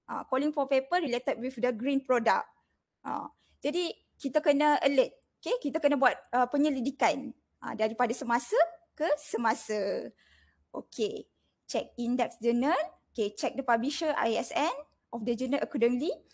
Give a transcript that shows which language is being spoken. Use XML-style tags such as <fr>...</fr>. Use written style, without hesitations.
<en>Calling for paper related with the green product.</en> <ms>Jadi kita kena alert. Okay, kita kena buat penyelidikan daripada semasa ke semasa.</ms> <en>Okay, check index journal. Okay, check the publisher ISN of the journal accordingly.</en>